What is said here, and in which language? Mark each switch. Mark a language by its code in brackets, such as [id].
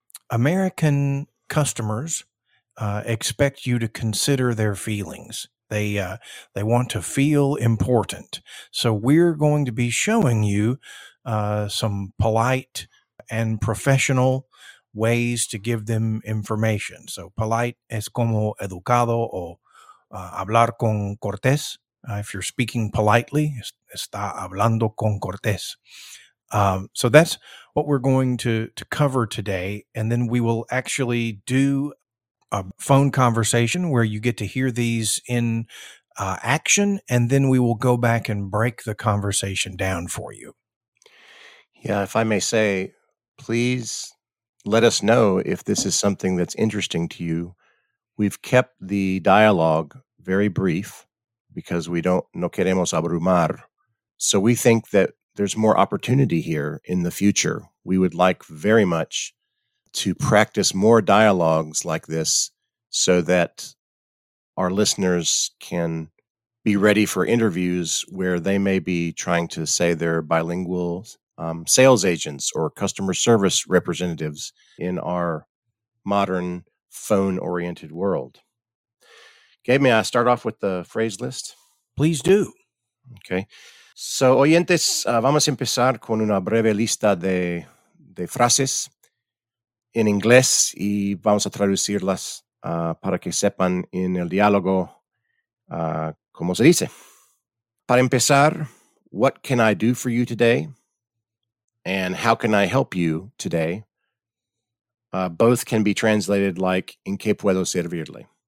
[en] American customers expect you to consider their feelings. They want to feel important. So we're going to be showing you some polite and professional ways to give them information. [es] So polite es como educado o hablar con cortés. [en] If you're speaking politely, [es] está hablando con cortés. [en] So that's what we're going to cover today. And then we will actually do a phone conversation where you get to hear these in action, and then we will go back and break the conversation down for you. Yeah, if I may say, please let us know if this is something that's interesting to you. We've kept the dialogue very brief because we don't, [es] no queremos abrumar. [en] So we think that there's more opportunity here in the future. We would like very much to practice more dialogues like this so that our listeners can be ready for interviews where they may be trying to say they're bilingual sales agents or customer service representatives in our modern phone-oriented world. Gabe, may I start off with the phrase list? Please do. Okay. [es] So, oyentes, vamos a empezar con una breve lista de frases en inglés y vamos a traducirlas para que sepan en el diálogo cómo se dice. Para empezar, [en] what can I do for you today? And how can I help you today? Both can be translated like, [es] ¿en qué puedo servirle?